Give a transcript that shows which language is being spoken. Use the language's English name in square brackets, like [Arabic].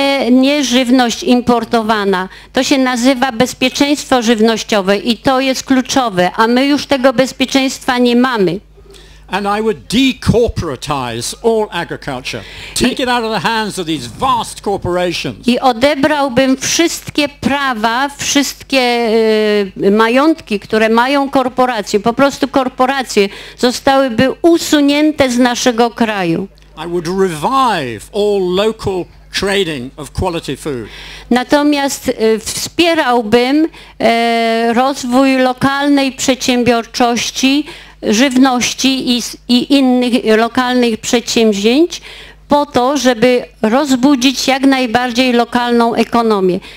[Polish] Nie żywność importowana. To się nazywa bezpieczeństwo żywnościowe i to jest kluczowe, a my już tego bezpieczeństwa nie mamy. [English] And I would decorporatize all agriculture. Take it out of the hands of these vast corporations. [Polish] I odebrałbym wszystkie prawa, wszystkie majątki, które mają korporacje. Po prostu korporacje zostałyby usunięte z naszego kraju. [English] I would revive all local trading of quality food. [Polish] Natomiast wspierałbym rozwój lokalnej przedsiębiorczości, żywności i innych lokalnych przedsięwzięć po to, żeby rozbudzić jak najbardziej lokalną ekonomię.